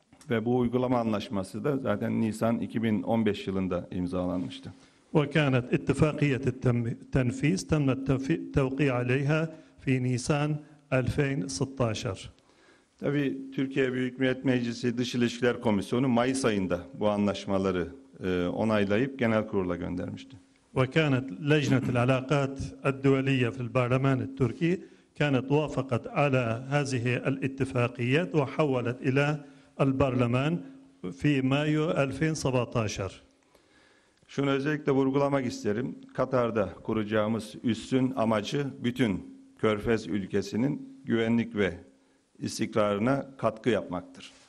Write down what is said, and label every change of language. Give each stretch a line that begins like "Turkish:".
Turkish: Ve bu uygulama anlaşması da zaten Nisan 2015 yılında imzalanmıştı.
Arabic: وكانت اتفاقية التنفيذ تم التوقيع عليها في نيسان 2016.
Turkish: Tabii Türkiye Büyük Millet Meclisi Dış İlişkiler Komisyonu Mayıs ayında bu anlaşmaları onaylayıp genel kurula göndermişti.
Arabic: وكانت لجنة العلاقات الدولية في البرلمان التركي كانت وافقت على هذه الاتفاقيات وحولت إلى البرلمان في مايو 2017.
Turkish: Şunu özellikle vurgulamak isterim. Katar'da kuracağımız üssün amacı bütün Körfez ülkesinin güvenlik ve istikrarına katkı yapmaktır.